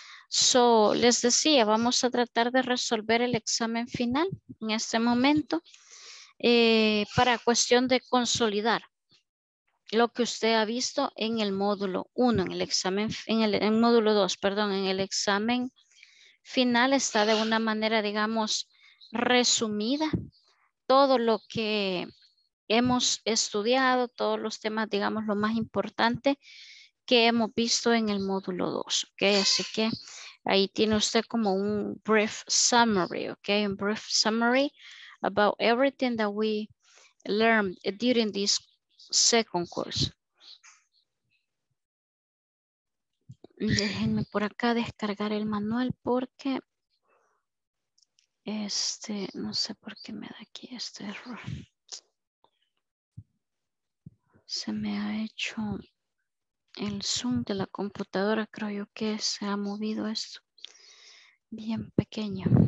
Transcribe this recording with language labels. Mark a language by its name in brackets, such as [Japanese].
[Spanish] So, les decía, vamos a tratar de resolver el examen final en este momento para cuestión de consolidar lo que usted ha visto en el módulo 1, en el examen, en módulo 2, perdón, en el examen final está de una manera, digamos, resumida todo lo que hemos estudiado, todos los temas, digamos, lo más importante que hemos visto en el módulo 2, ¿ok? Así que ahí tiene usted como un brief summary, ¿ok? [English] Un brief summary about everything that we learned during this second course. [Spanish] Déjenme por acá descargar el manual porque no sé por qué me da aquí este error. Se me ha hecho el zoom de la computadora, creo yo que se ha movido esto bien pequeño.